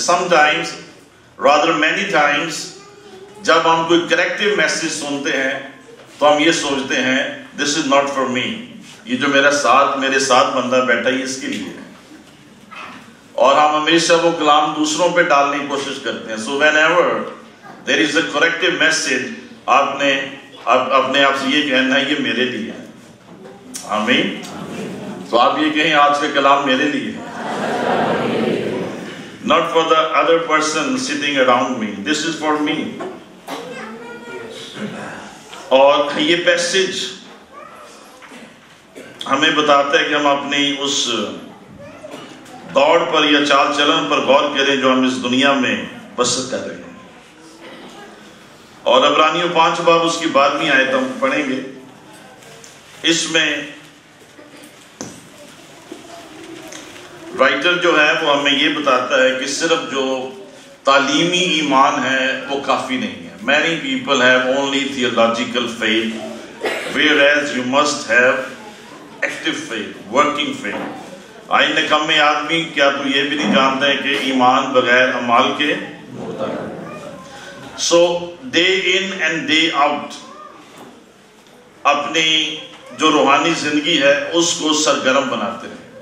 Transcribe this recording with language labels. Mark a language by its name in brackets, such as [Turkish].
[English] sometimes Rather many times, [Urdu] جب ہم کوئی کریکٹو میسج سنتے ہیں تو ہم یہ سوچتے ہیں [English] this is not for me, [Urdu] یہ جو میرے ساتھ بندہ بیٹھا ہے اس کے لیے, اور ہم ہمیشہ وہ کلام دوسروں پہ ڈالنے کی کوشش کرتے ہیں. [English] so whenever there is a corrective message [Urdu] آپ نے اپنے آپ سے یہ کہنا ہے یہ میرے لیے, آمین. تو آپ یہ کہیں آج کے کلام میرے لیے, [English] not for the other person sitting around me, this is for me. [Urdu] اور یہ پیسج ہمیں بتاتا ہے کہ ہم اپنی اس دوڑ پر یا چال چلن پر غور کریں جو ہم اس دنیا میں بسر کر رہے ہیں. اور عبرانیوں 5 اس کی 12 آئے تو ہم پڑھیں گے. اس میں رائٹر جو ہے وہ ہمیں یہ بتاتا ہے کہ صرف جو تعلیمی ایمان ہے وہ کافی نہیں ہے. [English] Many people have only theological faith, whereas you must have active faith, working faith. [Urdu] آئی نکمے آدمی کیا تو یہ بھی نہیں جانتا ہے کہ ایمان بغیر عمال کے مرتا ہے. [English] so they in and they out [Urdu] اپنی جو روحانی زندگی ہے اس کو سرگرم بناتے ہیں.